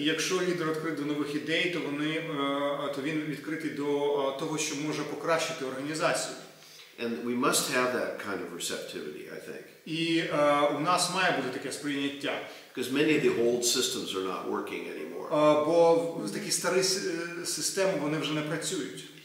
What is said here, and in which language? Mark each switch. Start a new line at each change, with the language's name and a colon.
Ukrainian: І якщо лідер відкритий до нових ідей, то вони то він відкритий до того, що може покращити організацію.
English: And we must have that kind of receptivity, I think.
Ukrainian: І у нас має бути таке сприйняття.
English: Because many of the old systems are not working anymore.
Ukrainian: Бо такі старі системи, вони вже не працюють.